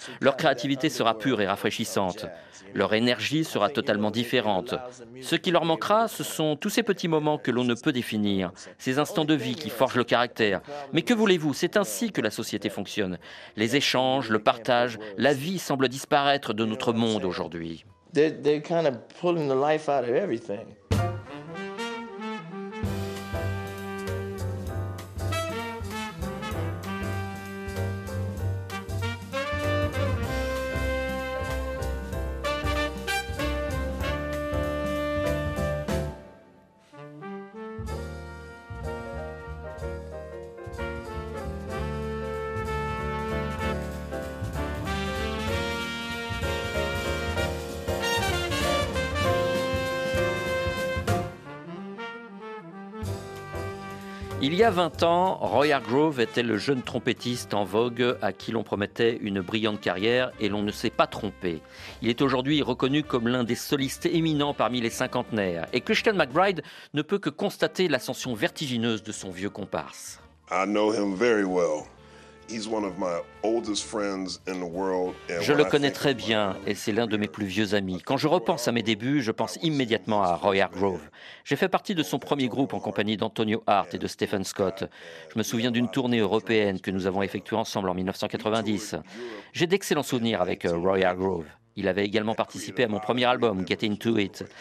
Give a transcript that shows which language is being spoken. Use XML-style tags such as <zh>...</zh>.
<fr>Leur créativité sera pure et rafraîchissante. Leur énergie sera totalement différente. Ce qui leur manquera, ce sont tous ces petits moments que l'on ne peut définir, ces instants de vie qui forgent le caractère. Mais que voulez-vous ? C'est ainsi que la société fonctionne. Les échanges, le partage, la vie semble disparaître de notre monde aujourd'hui.</fr> <en>They're kind of pulling the life out of everything.</en> <fr>Il y a 20 ans, Roy Hargrove était le jeune trompettiste en vogue à qui l'on promettait une brillante carrière et l'on ne s'est pas trompé. Il est aujourd'hui reconnu comme l'un des solistes éminents parmi les cinquantenaires. Et Christian McBride ne peut que constater l'ascension vertigineuse de son vieux comparse.</fr> <en>I know him very well. He's one of my oldest friends in the world.</en> <fr>Je le connais très bien et c'est l'un de mes plus vieux amis. Quand je repense à mes débuts, je pense immédiatement à Roy Hargrove. J'ai fait partie de son premier groupe en compagnie d'Antonio Hart et de Stephen Scott. Je me souviens d'une tournée européenne que nous avons effectuée ensemble en 1990. J'ai d'excellents souvenirs avec Roy Hargrove. Il avait également participé à mon premier album, Get Into It.</fr>